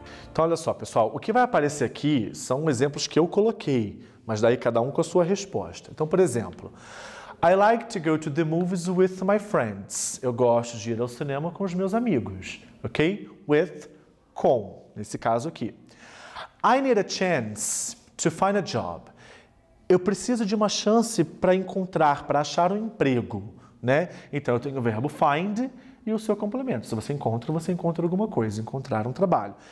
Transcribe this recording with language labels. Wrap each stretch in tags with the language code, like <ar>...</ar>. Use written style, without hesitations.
<pt>Então, olha só, pessoal, o que vai aparecer aqui são exemplos que eu coloquei, mas daí cada um com a sua resposta. Então, por exemplo,</pt> <en>I like to go to the movies with my friends.</en> <pt>Eu gosto de ir ao cinema com os meus amigos, ok?</pt> <en>With,</en> <pt>com, nesse caso aqui.</pt> <en>I need a chance to find a job.</en> <pt>Eu preciso de uma chance para encontrar, para achar um emprego, né? Então, eu tenho o verbo find e o seu complemento. Se você encontra, você encontra alguma coisa, encontrar um trabalho.</pt>